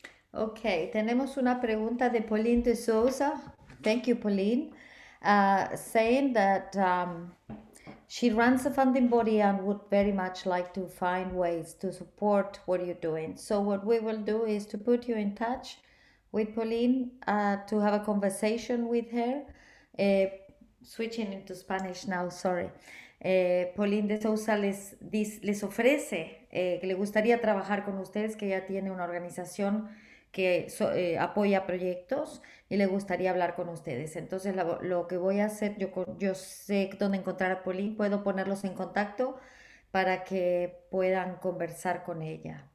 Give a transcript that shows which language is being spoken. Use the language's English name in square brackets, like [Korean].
[Spanish] Ok, tenemos una pregunta de Pauline de Souza. [English] Thank you, Pauline. Saying that she runs a funding body and would very much like to find ways to support what you're doing. So what we will do is to put you in touch with Pauline to have a conversation with her, switching into Spanish now, sorry. [Spanish] Pauline de Souza les ofrece que le gustaría trabajar con ustedes, que ya tiene una organización que apoya proyectos y le gustaría hablar con ustedes. Entonces lo que voy a hacer, yo sé dónde encontrar a Pauline, puedo ponerlos en contacto para que puedan conversar con ella.